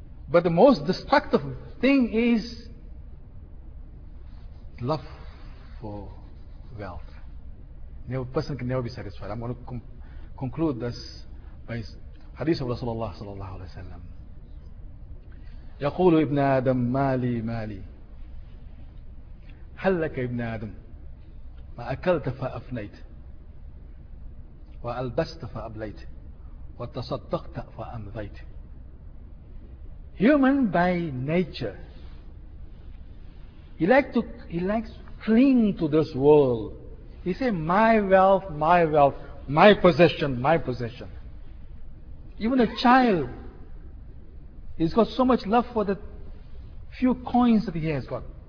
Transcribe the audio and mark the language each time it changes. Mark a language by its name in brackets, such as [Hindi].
[English] But the most destructive thing is love for wealth. A person can never be satisfied. I'm going to conclude this by hadith of Rasulullah sallallahu alaihi wasallam. [Arabic] يقول ابن آدم مالي مالي هل لك ابن آدم ما أكلت فأفنيت وألبست فأبليت وتصدقت فأمضيت. [English] Human by nature, he likes to cling to this world. He say, my wealth, my possession, my possession. Even a child, he's got so much love for the few coins that he has got.